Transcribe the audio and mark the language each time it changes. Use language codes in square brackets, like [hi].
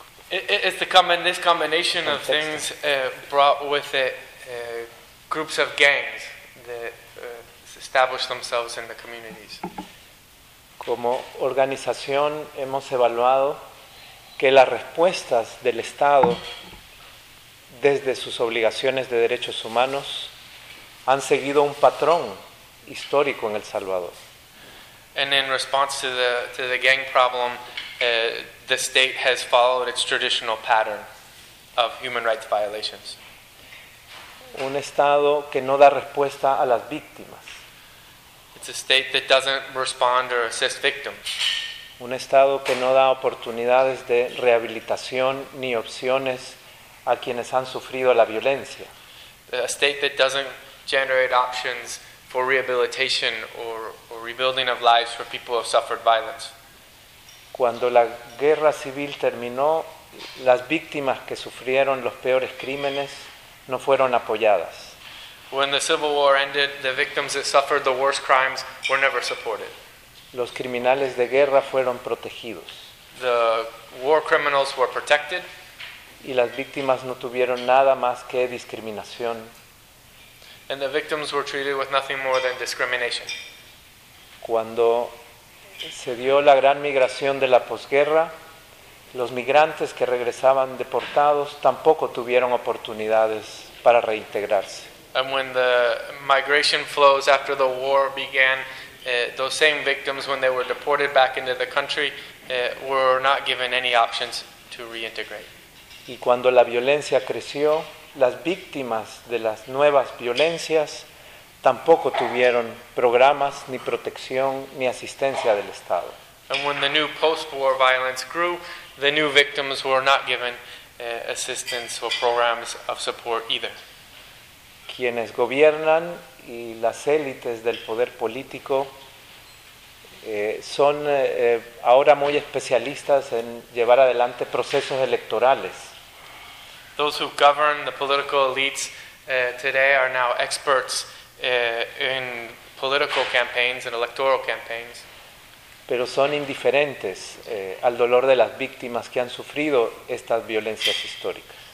[en] This combination contexto. Of things brought with it groups of gangs that established themselves in the communities. [es] Como organización hemos evaluado que las respuestas del Estado desde sus obligaciones de derechos humanos han seguido un patrón histórico en El Salvador. [en] And in response to the gang problem, the state has followed its traditional pattern of human rights violations. [es] Un Estado que no da respuesta a las víctimas. [en] It's a state that doesn't respond or assist victims. [es] Un Estado que no da oportunidades de rehabilitación ni opciones a quienes han sufrido la violencia. [en] A state that doesn't generate options for rehabilitation or rebuilding of lives for people who have suffered violence. [es] Cuando la guerra civil terminó, las víctimas que sufrieron los peores crímenes no fueron apoyadas. [en] When the Civil War ended, the victims that suffered the worst crimes were never supported. [es] Los criminales de guerra fueron protegidos. [en] The war criminals were protected. [es] Y las víctimas no tuvieron nada más que discriminación. [en] And the victims were treated with nothing more than discrimination. [es] Cuando se dio la gran migración de la posguerra, los migrantes que regresaban deportados tampoco tuvieron oportunidades para reintegrarse. [en] And when the migration flows after the war began, those same victims, when they were deported back into the country, were not given any options to reintegrate. [es] Y cuando la violencia creció, las víctimas de las nuevas violencias tampoco tuvieron programas, ni protección, ni asistencia del Estado. [en] And when the new post-war violence grew, the new victims were not given assistance or programs of support either. [es] Quienes gobiernan y las élites del poder político son ahora muy especialistas en llevar adelante procesos electorales. [en] Those who govern, the political elites today, are now experts in political campaigns and electoral campaigns. [es] Pero son indiferentes al dolor de las víctimas que han sufrido estas violencias históricas.